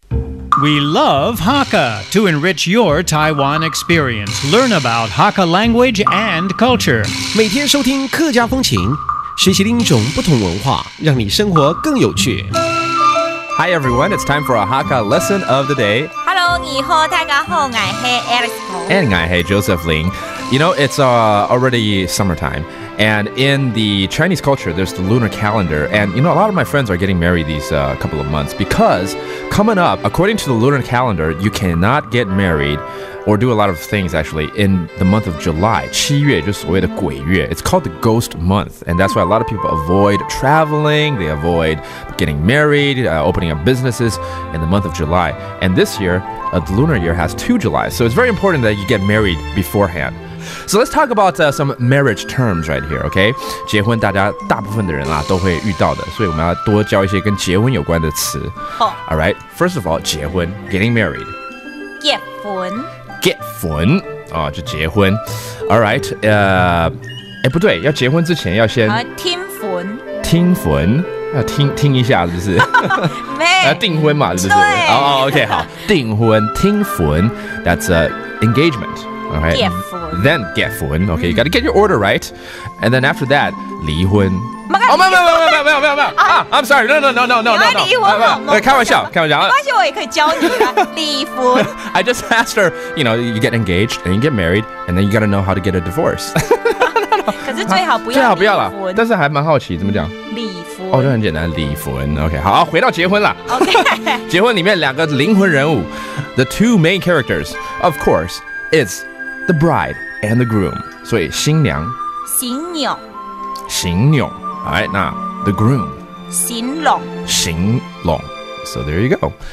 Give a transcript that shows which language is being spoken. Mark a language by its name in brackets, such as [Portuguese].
[English] We love Hakka to enrich your Taiwan experience. Learn about Hakka language and culture. [Chinese] 每天收听客家风情，学习另一种不同文化，让你生活更有趣。 [English] Hi everyone, it's time for a Hakka lesson of the day. Hello, [Chinese] 你好，大家好，我是 Alice Hong. [English] And [Chinese] 我是 [English] Joseph Lin. You know, it's already summertime. And in the Chinese culture, there's the lunar calendar. And, you know, a lot of my friends are getting married these couple of months because coming up, according to the lunar calendar, you cannot get married or do a lot of things, actually, in the month of July. [Chinese] 七月就是所谓的鬼月. [English] It's called the ghost month. And that's why a lot of people avoid traveling. They avoid getting married, opening up businesses in the month of July. And this year, the lunar year has two Julys. So it's very important that you get married beforehand. So let's talk about some marriage terms right here, okay? [Chinese] 结婚大家大部分的人啦都会遇到的，所以我们要多教一些跟结婚有关的词。好。 [English] All right, first of all, 结婚 getting married. [Chinese] 结婚。结婚。哦，就结婚。 [English] All right, [Chinese] 不对，要结婚之前要先。听婚。听婚。要听听一下是不是要订婚嘛是不是对。 [English] Oh, OK, [Chinese] 好。订婚听婚 [English] that's engagement. Okay. [Chinese] 结婚 [English] Then 结婚 Okay, you gotta get your order right. And then after that, 离婚 Oh, [Chinese] 没有 [English] I'm sorry, no [Chinese] 离婚好吗开玩笑开玩笑没关系我也可以教你离婚 [English] I just asked her, you know, you get engaged and you get married and then you gotta know how to get a divorce [Chinese] 可是最好不要离婚最好不要啦但是还蛮好奇怎么讲离婚哦，这很简单离婚 [English] Okay, [Chinese] 好回到结婚啦 [English] Okay [Chinese] 结婚里面两个灵魂人物 [English] The two main characters, of course, is the bride and the groom. [Chinese] 所以新娘新娘 [English] 新娘 All right, now the groom [Chinese] 新郎 [English] 新郎 So there you go.